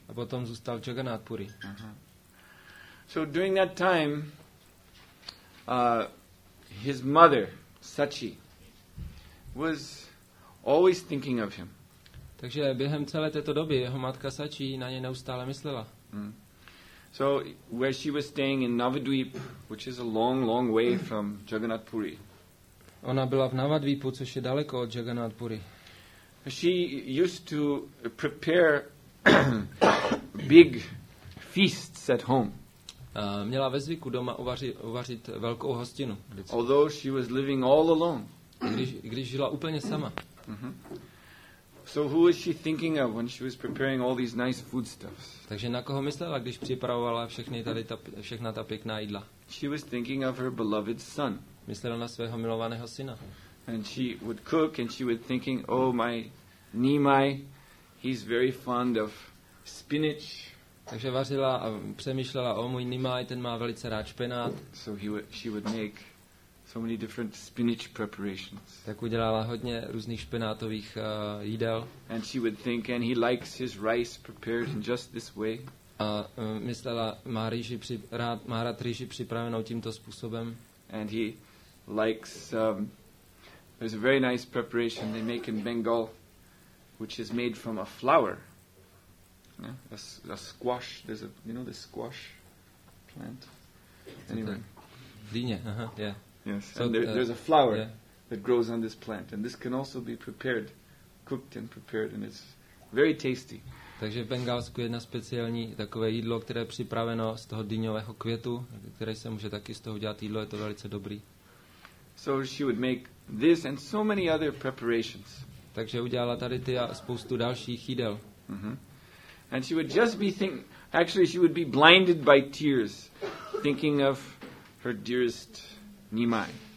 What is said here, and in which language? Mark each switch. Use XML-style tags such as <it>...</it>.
<cs>A potom zůstal v Jagannath Puri.</cs> <en>So during that time, his mother, Sachi, was always thinking of him.</en> <cs>Takže během celé této doby jeho matka Sachi na něj neustále myslela.</cs> <en>So where she was staying in Navadvip, which is a long, long way from Jagannath Puri.</en> <cs>Ona byla v Navadvipu, což je daleko od Jagannath Puri.</cs> <en>She used to prepare big feasts at home.</en> <cs>Měla ve zvyku doma uvařit velkou hostinu.</cs> <en>Although she was living all alone.</en> <cs>Když žila úplně sama.</cs> <en>So who was she thinking of when she was preparing all these nice foodstuffs?</en> <cs>Takže na koho myslela, když připravovala všechna ta pěkná jídla?</cs> <en>She was thinking of her beloved son.</en> <cs>Myslela na svého milovaného syna.</cs> <en>And she would cook and she would thinking, oh my Nimai, he's very fond of spinach.</en> <cs>Takže vařila a přemýšlela, o můj Nimai, ten má velice rád špenát.</cs> <en>So she would make So many different spinach preparations.</en> <cs>Tak udělala hodně různých špenátových jídel.</cs> <en>And she would think, and he likes his rice prepared in just this way.</en> <cs>A myslela, má rád rýži připravenou tímto způsobem.</cs> <en>And he likes there's a very nice preparation they make in Bengal, which is made from a flower. Yeah, a squash. There's a, you know, the squash plant. Anyway.</en> <cs>Dýně.</cs> <en>Yeah. Yes, so, and there's a flower that grows on this plant, and this can also be prepared, cooked and prepared, and it's very tasty.</en> <cs>Takže v Bengálsku je jedna speciální takové jídlo, které je připraveno z toho dýňového květu, které se může taky z toho udělat jídlo, je to velice dobrý.</cs> <en>So she would make this and so many other preparations.</en> <cs>Takže udělala tady ty a spoustu dalších jídel. Mm-hmm.</cs> <en>And she would just be actually she would be blinded by tears, thinking of her dearest Nimai.</en>